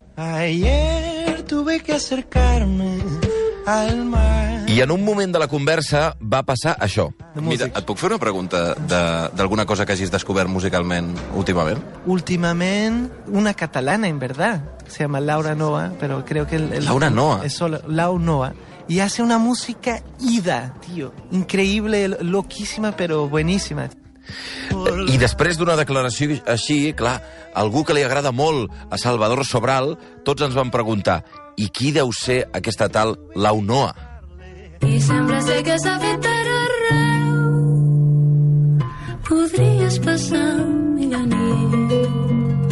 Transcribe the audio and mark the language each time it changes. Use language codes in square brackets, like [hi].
[es] Ayer tuve que acercarme al mar. [ca] I en un moment de la conversa va passar això. Mira, et puc fer una pregunta d'alguna cosa que hagis descobert musicalment últimament? Últimament, una catalana, [es] en verdad. Se llama Laura Noa, pero creo que... Laura Noa. Es solo Lau Noa. Y hace una música ida, tío. Increíble, loquísima, pero buenísima. [ca] I després d'una declaració així, clar, algú que li agrada molt a Salvador Sobral, tots ens van preguntar, i qui deu ser aquesta tal Lau Noa? I sembla ser que s'ha fet per arreu. Podries passar mil anys.